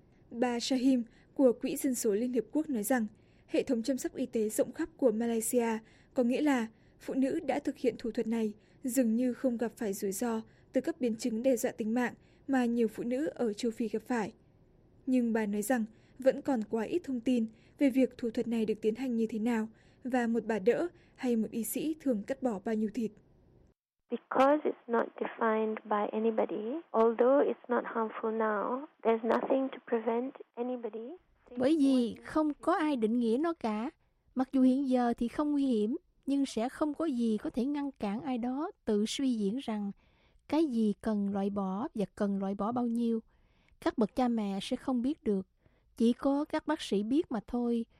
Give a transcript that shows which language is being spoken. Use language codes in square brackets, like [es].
[vi] Bà Shahim của Quỹ Dân số Liên Hiệp Quốc nói rằng hệ thống chăm sóc y tế rộng khắp của Malaysia có nghĩa là phụ nữ đã thực hiện thủ thuật này dường như không gặp phải rủi ro từ các biến chứng đe dọa tính mạng mà nhiều phụ nữ ở châu Phi gặp phải. Nhưng bà nói rằng vẫn còn quá ít thông tin về việc thủ thuật này được tiến hành như thế nào và một bà đỡ hay một y sĩ thường cắt bỏ bao nhiêu thịt. [en] Because it's not defined by anybody, although it's not harmful now, there's nothing to prevent anybody. [vi] Bởi vì không có ai định nghĩa nó cả, mặc dù hiện giờ thì không nguy hiểm, nhưng sẽ không có gì có thể ngăn cản ai đó tự suy diễn rằng cái gì cần loại bỏ và cần loại bỏ bao nhiêu. Các bậc cha mẹ sẽ không biết được, chỉ có các bác sĩ biết mà thôi.